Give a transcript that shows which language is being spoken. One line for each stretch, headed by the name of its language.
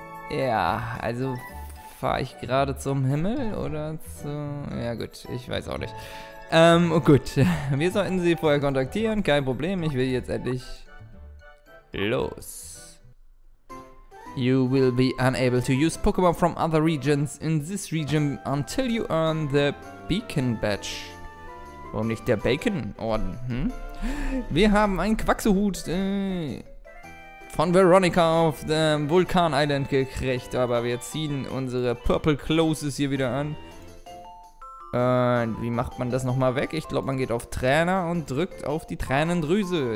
German: Ja, also fahre ich gerade zum Himmel oder zu, ja gut, ich weiß auch nicht. Gut, wir sollten sie vorher kontaktieren, kein Problem, ich will jetzt endlich los.
English: You will be unable to use Pokémon from other regions in this region until you earn the Beacon Badge.
German: Warum nicht der Bacon-Orden, hm? Wir haben einen Quacksuhut von Veronica auf dem Vulkan-Island gekriegt, aber wir ziehen unsere
English: Purple Closes
German: hier wieder an. Wie macht man das nochmal weg? Ich glaube, man geht auf Trainer und drückt auf die Tränendrüse.